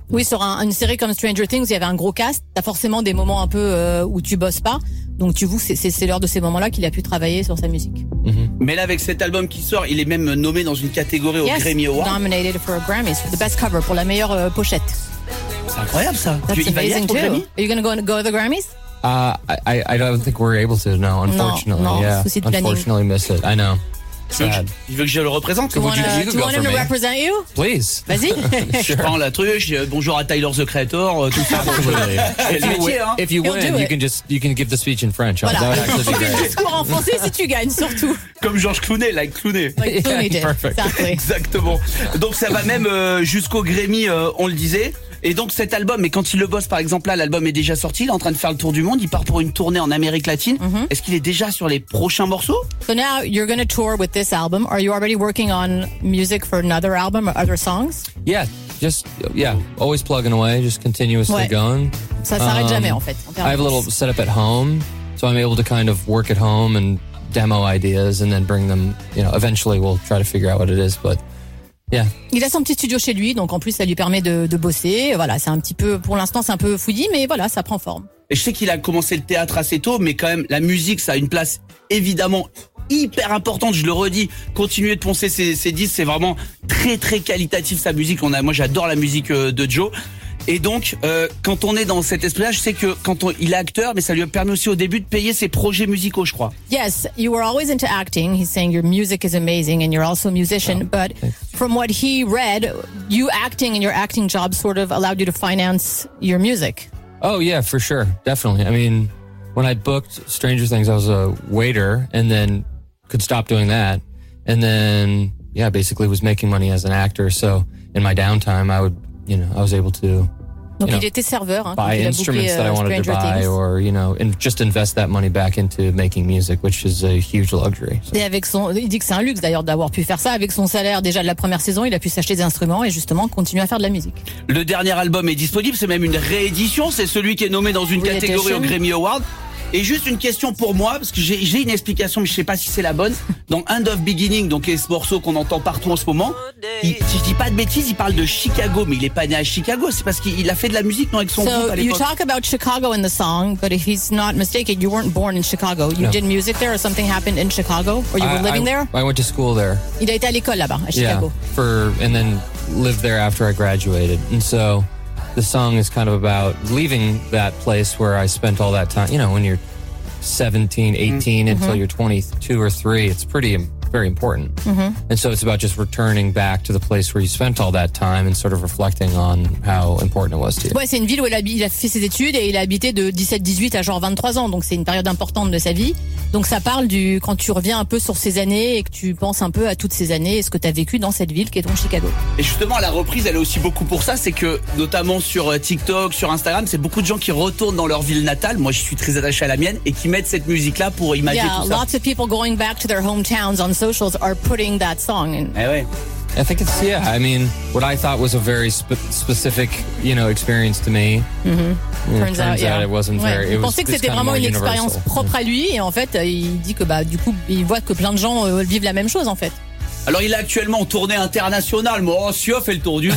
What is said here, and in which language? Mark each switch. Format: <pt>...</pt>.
<fr>Oui, sur une série comme Stranger Things, il y avait un gros cast. T'as forcément des moments un peu où tu bosses pas. Donc tu vois, c'est l'heure de ces moments-là qu'il a pu travailler sur sa musique. Mm-hmm. Mais là, avec cet album qui sort, il est même nommé dans une catégorie au Grammy Award.</fr> <en>Nominated for a Grammy for the best cover,</en> <fr>pour la meilleure pochette. C'est incroyable ça.</fr> <en>That's amazing too. Grammy? Are you gonna go to the Grammys? I don't think we're able to. No, unfortunately.</en> <fr>Non,</fr> <en>yeah.</en> <fr>Souci de planning.</fr> <en>Unfortunately, miss it. I know.</en> <fr>Il veut que je le représente.</fr> <en>Do you want him to represent you? Please.</en> <fr>Vas-y.</fr> <en>Sure.</en> <fr>Je prends la truche. Bonjour à Tyler the Creator. Tout ça.</fr> <en>Bon, if you win, you can give the speech in French.</en> <fr>Voilà.</fr> <en>Oh, that would actually be great.</en> <fr>Le discours en français si tu gagnes surtout. Comme George Clooney,</fr> <en>like Clooney. Like Clooney did. Perfect. Exactly.</en> <fr>Exactement. Donc ça va même jusqu'au Grammy. On le disait. Et donc cet album, mais quand il le bosse, par exemple là, l'album est déjà sorti, il est en train de faire le tour du monde, il part pour une tournée en Amérique latine. Mm-hmm. Est-ce qu'il est déjà sur les prochains morceaux?</fr> <en>So now you're going to tour with this album. Are you already working on music for another album or other songs? Yeah, just yeah, always plugging away, just continuously</en> <fr>ouais.</fr> <en>going.</en> <fr>Ça s'arrête jamais en fait.</fr> <en>I have a little setup at home, so I'm able to kind of work at home and demo ideas and then bring them, you know, eventually we'll try to figure out what it is, but yeah.</en> <fr>Il a son petit studio chez lui, donc en plus ça lui permet de bosser. Voilà, c'est un petit peu, pour l'instant c'est un peu fouillis, mais voilà, ça prend forme. Et je sais qu'il a commencé le théâtre assez tôt, mais quand même la musique, ça a une place évidemment hyper importante, je le redis. Continuez de poncer ses disques, c'est vraiment très très qualitatif sa musique. Moi j'adore la musique de Joe. Et donc quand on est dans cet esprit-là, je sais que quand il est acteur, mais ça lui a permis aussi au début de payer ses projets musicaux, je crois.</fr> <en>Yes, you were always into acting. He's saying your music is amazing and you're also a musician. Oh, but thanks. From what he read, you acting and your acting job sort of allowed you to finance your music. Oh yeah, for sure, definitely. I mean, when I booked Stranger Things, I was a waiter and then could stop doing that. And then, yeah, basically was making money as an actor. So in my downtime, I would, you know, I was able to,</en> <fr>donc il était serveur, hein,</fr> <en>buy instruments that I wanted to buy or, you know, and just invest that money back into making music, which is a huge luxury. So.</en> <fr>Et avec son, il dit que c'est un luxe d'ailleurs d'avoir pu faire ça. Avec son salaire déjà de la première saison, il a pu s'acheter des instruments et justement continuer à faire de la musique. Le dernier album est disponible, c'est même une réédition. C'est celui qui est nommé dans une catégorie au Grammy Award. Et juste une question pour moi, parce que j'ai une explication, mais je sais pas si c'est la bonne. Dans End of Beginning, donc est ce morceau qu'on entend partout en ce moment, si je dis pas de bêtises, il parle de Chicago, mais il est pas né à Chicago, c'est parce qu'il a fait de la musique, non, avec son groupe à l'époque.</fr> <en>So, you talk about Chicago in the song, but if he's not mistaken, you weren't born in Chicago. You no. did music there, or something happened in Chicago, or you were living there? I went to school there.</en> <fr>Il a été à l'école là-bas, à Chicago.</fr> <en>Yeah, for, and then lived there after I graduated, and so... The song is kind of about leaving that place where I spent all that time. You know, when you're 17, 18, mm-hmm. until you're 22 or 3, it's pretty, very important. Mm-hmm. And so it's about just returning back to the place where you spent all that time and sort of reflecting on how important it was to you.</en> <fr>Ouais, c'est une ville où il a fait ses études et il a habité de 17, 18 à genre 23 ans. Donc c'est une période importante de sa vie. Donc ça parle du quand tu reviens un peu sur ces années et que tu penses un peu à toutes ces années et ce que tu as vécu dans cette ville qui est donc Chicago. Et justement, la reprise, elle est aussi beaucoup pour ça. C'est que notamment sur TikTok, sur Instagram, c'est beaucoup de gens qui retournent dans leur ville natale. Moi, je suis très attaché à la mienne et qui mettent cette musique-là pour imaginer</fr> <en>yeah,</en> <fr>tout ça.</fr> <en>Lots of people going back to their hometowns on socials are putting that song in.</en> <fr>Eh ouais.</fr> <en>I think it's, yeah, I mean, what I thought was a very specific, you know, experience to me. Mm-hmm. Turns out, yeah. out it wasn't</en> <fr>ouais.</fr> <en>very, it</en> <fr>was, que c'était vraiment une expérience propre à lui, et en fait, il dit que, bah, du coup, il voit que plein de gens vivent la même chose, en fait. Alors, il est actuellement en tournée internationale. Moi, oh, Sio fait le tour du monde.</fr>